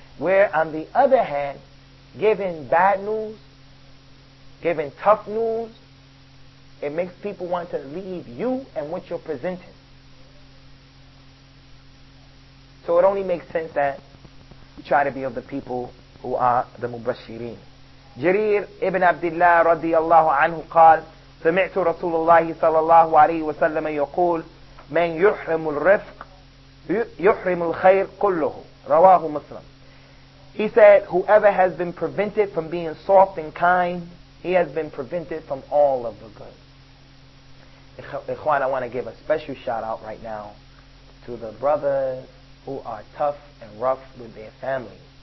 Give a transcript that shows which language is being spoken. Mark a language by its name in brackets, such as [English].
[English] Where on the other hand, giving bad news, giving tough news, it makes people want to leave you and what you're presenting. So it only makes sense that you try to be of the people who are the Mubashireen. [Arabic] Jarir ibn Abdullah radiallahu anhu qal, سمعت رسول الله صلى الله عليه وسلم يقول من يحرم الرفق يحرم الخير كله رواه مسلم. [English] He said, whoever has been prevented from being soft and kind, he has been prevented from all of the good. Ikhwan, I want to give a special shout out right now to the brothers who are tough and rough with their family.